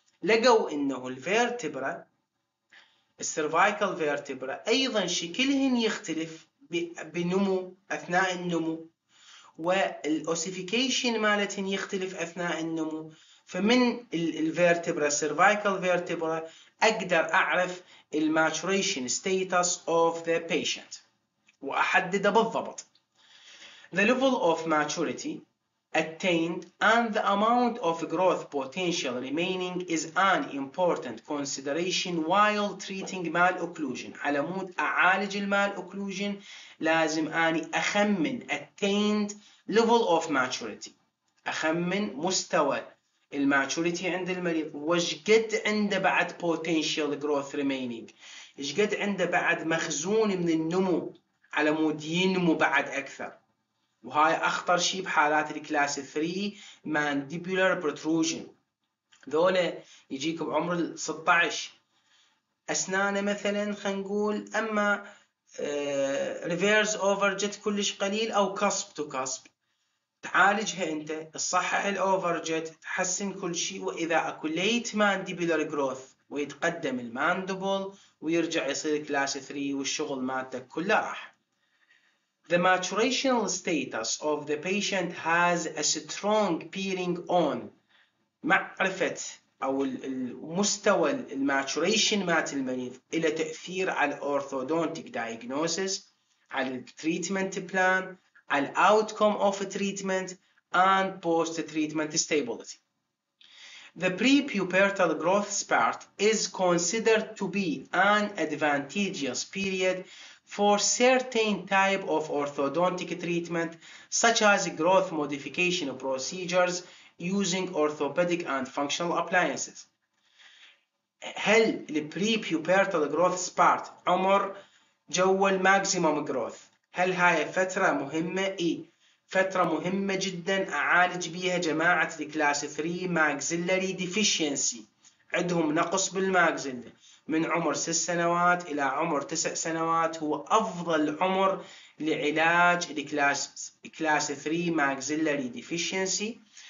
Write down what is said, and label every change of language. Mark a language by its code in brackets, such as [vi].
[ar] لقوا انه الفيرتبرا السيرفايكال فيرتبرا ايضا شكلهن يختلف بنمو اثناء النمو والاوسيفيكيشن مالتهن يختلف اثناء النمو، فمن الفيرتبرا السيرفايكال فيرتبرا اقدر اعرف الماتوريشن ستيتس اوف ذا بيشنت واحدده بالضبط. [en] The level of maturity attained and the amount of growth potential remaining is an important consideration while treating malocclusion. [ar] على مود أعالج المالocclusion لازم أني أخمن [en] attained level of maturity، [ar] أخمن مستوى الماتوريتي عند المريض وش قد عنده بعد [en] potential growth remaining، [ar] إيش قد عنده بعد مخزون من النمو على مود ينمو بعد أكثر. وهاي اخطر شيء بحالات الكلاس 3 مانديبولار بروتروجن، ذولا يجيك بعمر ال 16 اسنانه مثلا خلينا نقول اما ريفيرس اوفر جت كلش قليل او كسب تو كسب، تعالجها انت تصحح الاوفر جت تحسن كل شيء، واذا اكو ليت مانديبولار جروث ويتقدم الماندبل ويرجع يصير كلاس 3 والشغل مالتك كله راح. [en] The maturational status of the patient has a strong bearing on [ar] معرفة أو المستوى الماتوريشن مات المريض إلى تأثير [en] على orthodontic diagnosis، على treatment plan، على outcome of treatment and post-treatment stability. The prepubertal growth spurt is considered to be an advantageous period for certain type of orthodontic treatment such as growth modification procedures using orthopedic and functional appliances. [ar] هل البري بيوبرتال جروث سبارت عمر جو الماكسيموم جروث، هل هاي فترة مهمة؟ اي فترة مهمة جدا، اعالج بيها جماعة الكلاس 3 ماكسيلري ديفيشنسي، عندهم نقص بالماكسيلا من عمر 6 سنوات الى عمر 9 سنوات، هو افضل عمر لعلاج الكلاس 3 ماكسيلري ديفيشنسي.